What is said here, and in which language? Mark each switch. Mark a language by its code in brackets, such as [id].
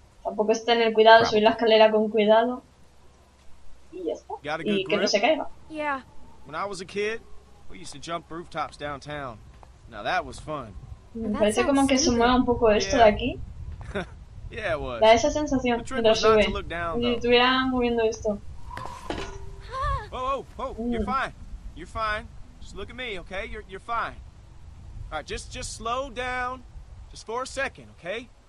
[es] Tampoco es tener cuidado, subir la escalera con cuidado. Y ya está. Y que no se caiga. [en] Yeah. When I was a kid, we used to jump rooftops downtown. Now that was fun. [es] Me parece como que suma un poco esto de aquí. Da esa sensación mientras sube. Si estuviera moviendo esto. [en] You're fine. You're fine. Just look at me, okay? You're fine. All right, just slow down. Just for a second, okay?